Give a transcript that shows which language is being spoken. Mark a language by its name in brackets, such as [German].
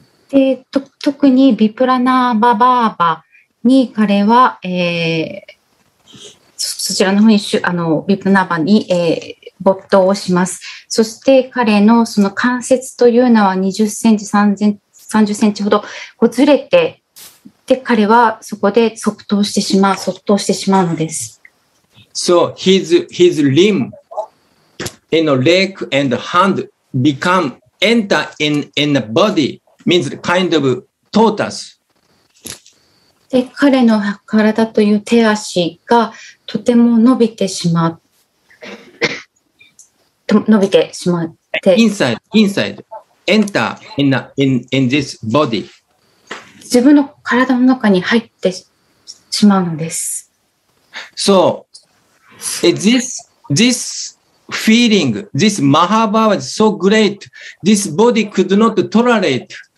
[Japanese] で、特にビプラナーバ・バーバに彼は、そちらの方にビプナーバに、没頭をします。そして彼のその関節というのは20センチ、30センチほどこうずれて、で、彼はそこで即頭してしまうのです。 [English] So his limb, you know, leg and hand become enter in the body. Means kind of tortoise. [Japanese] で、彼の体という手足がとても伸びてしまう。伸びてしまって。 [English] Inside. Enter in this body. [Japanese] 自分の体の中に入ってしまうのです。 [English] So, this feeling, this Mahabhava is so great, this body could not tolerate.